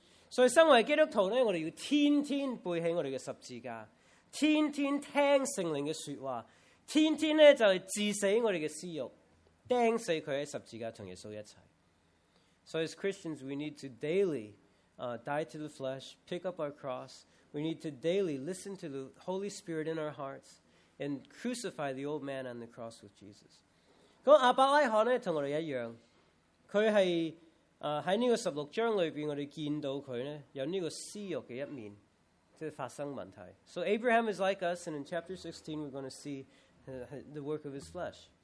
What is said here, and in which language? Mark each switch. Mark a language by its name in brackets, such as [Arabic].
[English] So as a Christian, we need to constantly bow down to the cross, constantly hear the Holy Spirit's words, constantly die to our sin, die to him on the cross with Jesus. So as Christians, we need to daily die to the flesh, pick up our cross. We need to daily listen to the Holy Spirit in our hearts and crucify the old man on the cross with Jesus. [Chinese] 亚伯拉罕跟我们一样，他是在这个十六章里面，我们见到他呢有这个私欲的一面，就是发生问题。 [English] So Abraham is like us, and in chapter 16, we're going to see the work of his flesh.